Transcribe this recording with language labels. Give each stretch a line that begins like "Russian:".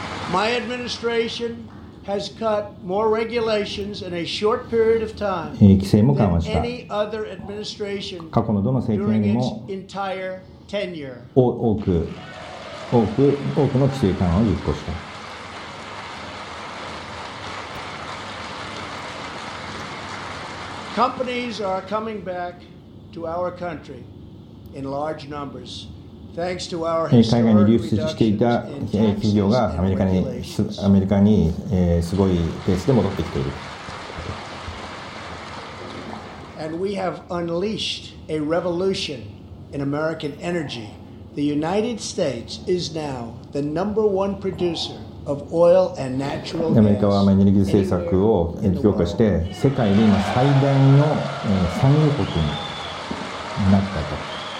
English: My administration has cut more regulations in a short period of time than any other administration during its entire tenure.
Japanese: 多く多くの規制緩和を実行した。
English: Companies are coming back to our country in large numbers.
Japanese: 海外に流出していた企業がアメリカにすごいペースで戻ってきている。
English: And we have unleashed a revolution in American energy. The United States is now the number one producer of oil and natural gas.
Japanese: アメリカはエネルギー政策を強化して世界で今最大の産油国になったと。